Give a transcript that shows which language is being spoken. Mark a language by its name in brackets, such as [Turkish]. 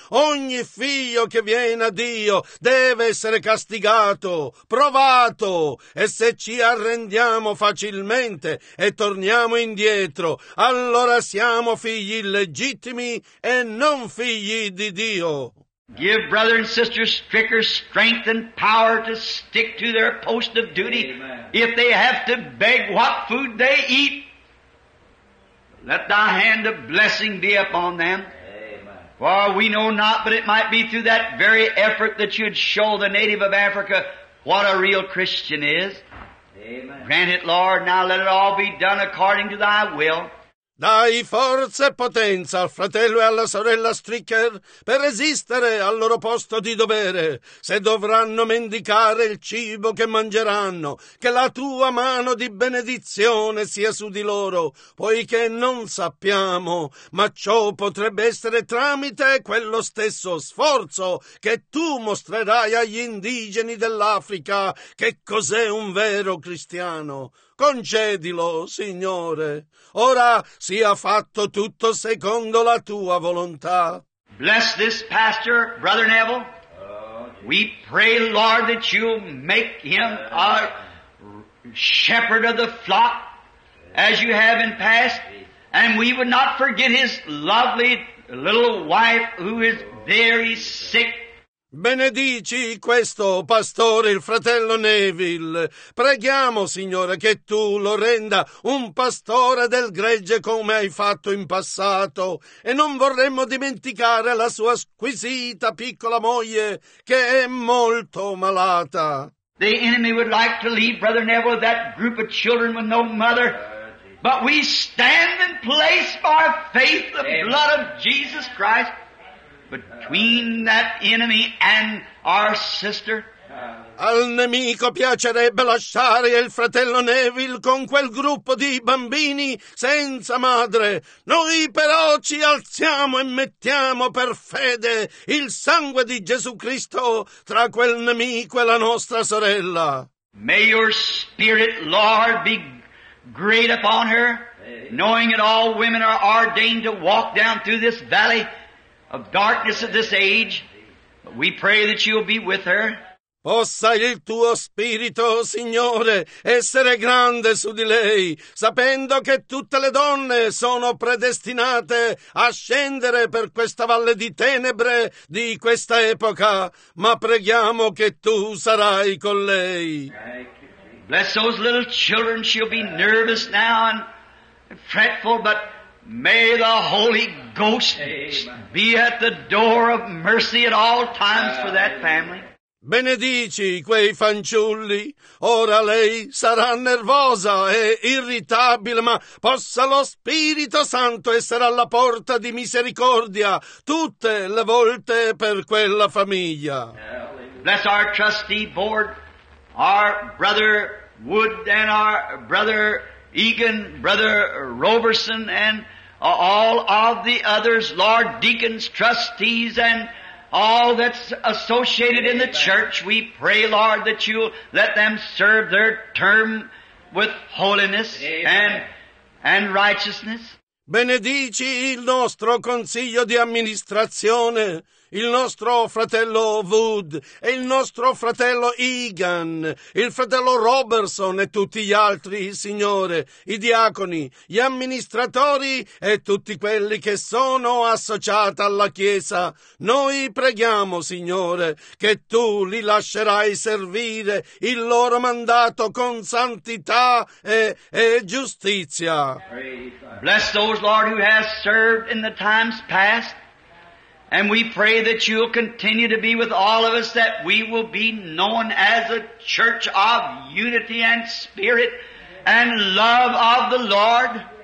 [Italian] Ogni figlio che viene a Dio deve essere castigato, provato, e se ci arrendiamo facilmente e torniamo indietro, allora siamo figli illegittimi e non figli di Dio. [English] Give brother and sister Stricker strength and power to stick to their post of duty. Amen. If they have to beg what food they eat, let thy hand of blessing be upon them. Amen. For we know not, but it might be through that very effort that you'd show the native of Africa what a real Christian is. Amen. Grant it, Lord, now let it all be done according to thy will. [Italian] Dai forza e potenza al fratello e alla sorella Stricker per resistere al loro posto di dovere. Se dovranno mendicare il cibo che mangeranno, che la tua mano di benedizione sia su di loro, poiché non sappiamo, ma ciò potrebbe essere tramite quello stesso sforzo che tu mostrerai agli indigeni dell'Africa che cos'è un vero cristiano. Concedilo, Signore. Ora sia fatto tutto secondo la tua volontà. [English] Bless this pastor, Brother Neville. We pray, Lord, that you'll make him a shepherd of the flock as you have in past. And we would not forget his lovely little wife who is very sick. [Italian] Benedici questo pastore, il fratello Neville. Preghiamo, Signore, che tu lo renda un pastore del gregge come hai fatto in passato. E non vorremmo dimenticare la sua squisita piccola moglie, che è molto malata. [English] The enemy would like to leave Brother Neville with that group of children with no mother. But we stand in place by faith the blood of Jesus Christ between that enemy and our sister. [Italian] Al nemico piacerebbe lasciare il fratello Neville con quel gruppo di bambini senza madre. Noi però ci alziamo e mettiamo per fede il sangue di Gesù Cristo tra quel nemico e la nostra sorella. [English] May your spirit, Lord, be great upon her, knowing that all women are ordained to walk down through this valley of darkness of this age, but we pray that you'll be with her. [Italian] Possa il tuo spirito, Signore, essere grande su di lei, sapendo che tutte le donne sono predestinate a scendere per questa valle di tenebre di questa epoca, ma preghiamo che tu sarai con lei. [English] Bless those little children, she'll be nervous now and fretful, but may the Holy Ghost be at the door of mercy at all times for that family. [Italian] Benedici quei fanciulli, ora lei sarà nervosa e irritabile, ma possa lo Spirito Santo essere alla porta di misericordia tutte le volte per quella famiglia. [English] Bless our trustee board, our brother Wood and our brother Egan, brother Roberson and all of the others, Lord Deacons, trustees and all that's associated in the church, we pray, Lord, that you'll let them serve their term with holiness and righteousness. [Italian] Benedici il nostro consiglio di amministrazione, il nostro fratello Wood e il nostro fratello Egan, il fratello Robertson e tutti gli altri, Signore, i diaconi, gli amministratori e tutti quelli che sono associati alla Chiesa. Noi preghiamo, Signore, che Tu li lascerai servire il loro mandato con santità e giustizia. [English] Bless those, Lord, who have served in the times past. And we pray that you'll continue to be with all of us, that we will be known as a church of unity and spirit and love of the Lord.